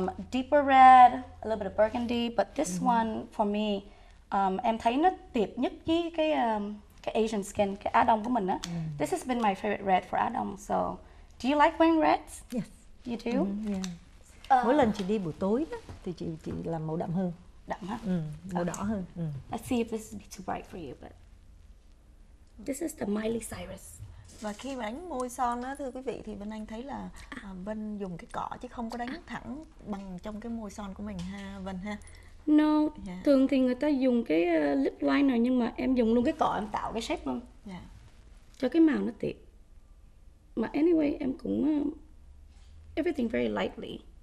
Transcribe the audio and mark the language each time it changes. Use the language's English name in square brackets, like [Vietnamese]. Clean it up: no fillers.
[English] Deeper red, a little bit of burgundy, but this mm-hmm. one for me [Vietnamese] em thấy nó đẹp nhất với cái Asian skin, cái á đông của mình á. Mm. [English] This has been my favorite red for [Vietnamese] á đông. [English] So, do you like wearing reds? Yes. You do? Mm, yeah. [Vietnamese] Mỗi lần chị đi buổi tối đó, thì chị làm màu đậm hơn. Đậm hả? Ừ, màu đỏ hơn. Ừ. [English] Let's see if this is too bright for you, but this is the Miley Cyrus. [Vietnamese] Và khi mà đánh môi son á, thưa quý vị, thì bên anh thấy là Vân dùng cái cọ chứ không có đánh thẳng bằng trong cái môi son của mình ha, Vân ha. [English] No, yeah. [Vietnamese] Thường thì người ta dùng cái lip liner nhưng mà em dùng luôn cái cọ em tạo cái shape luôn. Dạ. Yeah. Cho cái màu nó tiệt. Mà anyway em cũng [English] everything very lightly.